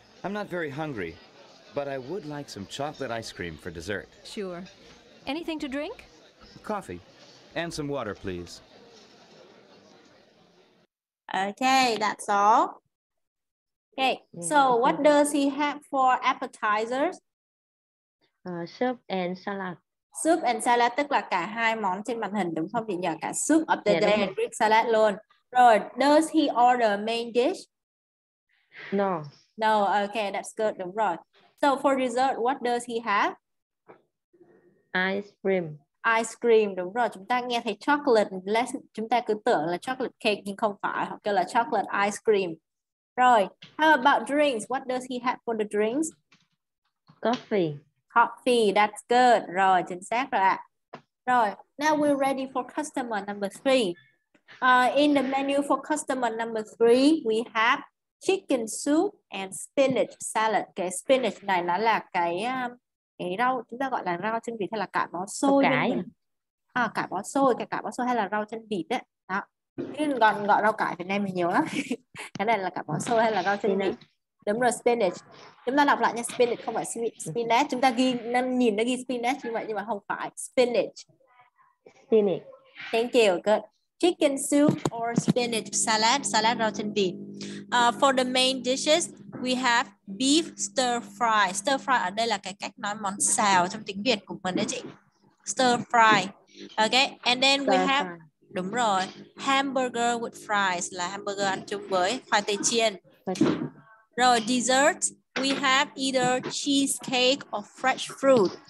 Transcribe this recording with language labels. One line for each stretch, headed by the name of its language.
English: I'm not very hungry, but I would like some chocolate ice cream for dessert. Sure. Anything to drink? Coffee. And some water, please. Okay, that's all. Okay, so what does he have for appetizers? Soup and salad. Soup and salad
Vietnamese: tức là cả hai món trên màn hình đúng không chị nhờ?
English: Cả soup of the day and Greek salad luôn. Rồi, does he order main dish? No. No, okay, that's good,
Vietnamese: đúng rồi.
English: So for dessert, what does he have? Ice cream. Ice cream,
Vietnamese: đúng rồi. Chúng ta nghe thấy chocolate, chúng ta cứ tưởng là chocolate cake nhưng không phải. Họ kêu là chocolate ice cream.
English: Rồi, how about drinks? What does he have for the drinks? Coffee. Coffee, that's good.
Vietnamese: Rồi, chính xác rồi ạ.
English: Rồi, now we're ready for customer number three. In the menu for customer number three, we have chicken soup and spinach salad.
Vietnamese: Cái spinach này nó là cái rau, chúng ta gọi là rau chân vịt hay là cải bó xôi. Cải. Cải bó xôi, cái cải bó xôi hay là rau chân vịt ấy. Đó. Nên còn gọi rau cải Việt Nam mình nhiều lắm. Cái này là cải bó xôi hay là rau chân vịt. Đúng rồi, spinach. Chúng ta đọc lại nha, spinach không phải spinach. Chúng ta ghi nhìn nó ghi spinach như vậy nhưng mà không phải.
English: Spinach. Spinach. Thank you, good. Chicken soup or spinach salad,
Vietnamese: salad rau chân vịt.
English: For the main dishes, we have beef stir fry. Stir fry ở đây là cái cách nói món xào trong tiếng Việt của mình đấy chị. Stir fry. Okay, and then we have,
Vietnamese: đúng rồi,
English: hamburger with fries
Vietnamese: là hamburger ăn chung với khoai tây chiên.
English: Rồi, dessert, we have either cheesecake or fresh fruit.